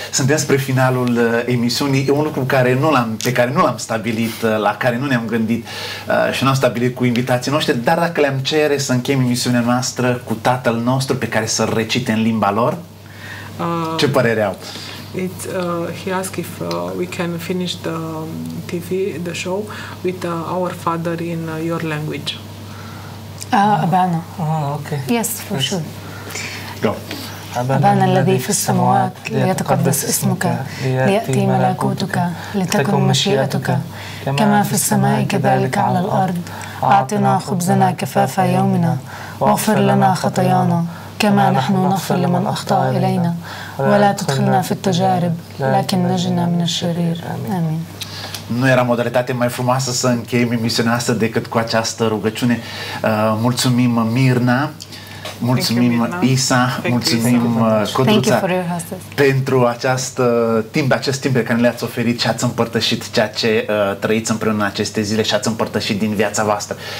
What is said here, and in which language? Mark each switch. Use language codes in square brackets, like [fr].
[ro] Suntem spre finalul emisiunii. E un lucru pe care nu l-am stabilit, la care nu ne-am gândit și nu am stabilit cu invitații noștri, dar dacă le-am cere să încheiem emisiunea noastră cu Tatăl nostru pe care să-l recite în limba lor, ce părere au? [en] He asked if we can finish the TV, the show, with Our Father in your language. [ar] Abana. [en] Okay. Yes, for sure. Go. [ar] أبانا الذي في السماوات ليتقدس اسمك ليأتي ملكوتك لتكن مشيئتك كما في السماء كذلك على الأرض أعطنا خبزنا كفافة يومنا واغفر لنا خطايانا كما نحن نغفر لمن أخطأ إلينا ولا تدخلنا في التجارب لكن نجنا من الشرير آمين. [ro] Nu era modalitate mai frumoasă să încheiem emisiunea asta decât cu această rugăciune. Mulțumim, Mirna. Mulțumim, Isa, mulțumim, Codruța, pentru acest timp pe care le-ați oferit și ați împărtășit ceea ce trăiți împreună în aceste zile și ați împărtășit din viața voastră.